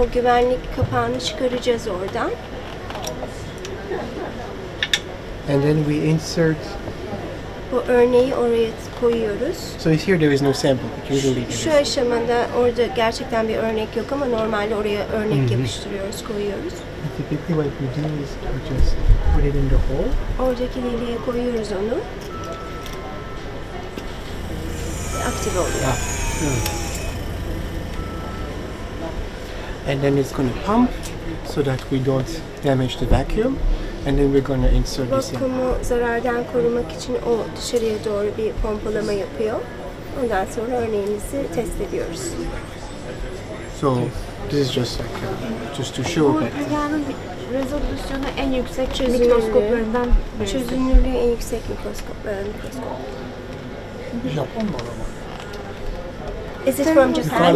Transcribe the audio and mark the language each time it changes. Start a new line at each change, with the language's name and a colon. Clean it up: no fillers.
Turkish: O güvenlik kapağını çıkaracağız oradan.
English: And then we insert.
Turkish: Bu örneği oraya koyuyoruz.
English: So here there is no sample.
Turkish: Şu aşamada orada gerçekten bir örnek yok ama normalde oraya örnek yapıştırıyoruz, koyuyoruz.
English: Typically what we do is we just put it in the hole.
Turkish: Oradaki deliğe koyuyoruz onu. Aktif oluyor.
English: Yeah. And then it's going to pump so that we don't damage the vacuum. And then we're going to insert this in.
Turkish: Vakumu zarardan korumak için o dışarıya doğru bir pompalama yapıyor. Ondan sonra örneğimizi test ediyoruz.
English: So this is just like just to show
Turkish: that. Bu dünyanın rezolüsyonu en yüksek mikroskoplarından. Çözünürlüğü en yüksek mikroskop. Japon mu?
English: Is it from Japan?